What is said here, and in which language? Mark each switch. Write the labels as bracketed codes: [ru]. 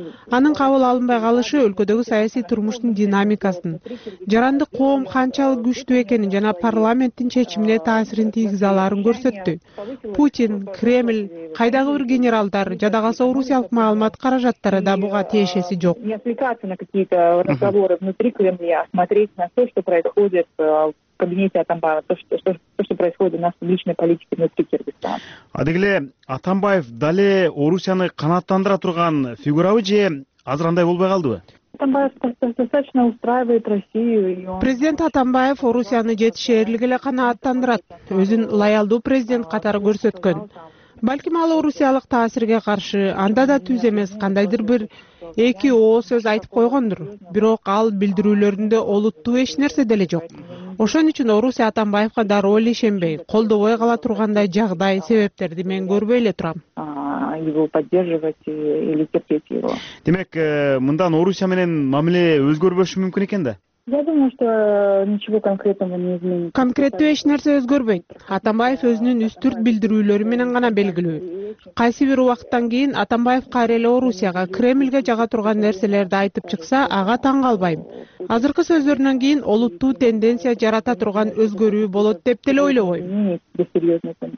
[ky] Анын кабыл алынбай калышы өлкөдөгү саясий турмуштун динамикасын, жарандык коом канчалык күчтүү экенин жана парламенттин чечимине таасирин тийгизе аларын көрсөттү. Путин, Кремль, кайдагы бир генералдар жада калса орусиялык маалымат каражаттары да буга тиешеси жок. [ru] Не отвлекаться на какие-то разговоры внутри Кремля, а смотреть на то, что происходит в кабинете Атамбаева, то, что происходит у нас в публичной политике внутри Кыргызстана. [ky] Адегиле, Атамбаев дале Орусияны канааттандыра турган фигурабы же азырандай болбой калдыбы? Президент Атамбаев Орусияны жетишээрлик эле канааттандырат. Өзүн лоялдуу президент катары көрсөткөн. Балким ал орусиялык таасирге каршы анда да түз эмес кандайдыр бир эки ооз сөз айтып койгондур. Бирок ал билдирүүлөрүндө олуттуу эч нерсе деле жок. Ошон үчүн Орусия Атамбаевга дароо эле ишенбей, колдобой кала тургандай жагдай себептерди мен көрбөй эле турам. [ru] Его поддерживать или терпеть его. [ky] Демек, мындан Орусия менен мамиле өзгөрбөшү мүмкүн экен да? [ru] Я думаю, что ничего конкретного не изменится. [ky] Конкреттүү эч нерсе өзгөрбөйт. Атамбаев өзүнүн үстүрт билдирүүлөрү менен гана белгилүү. Кайсы бир убакыттан кийин Атамбаев кайра эле Орусияга, Кремльге жага турган нерселерди айтып чыкса, ага таң калбайм. Азыркы сөздөрүнөн кийин олуттуу тенденция жарата турган өзгөрүү болот деп деле ойлобойм.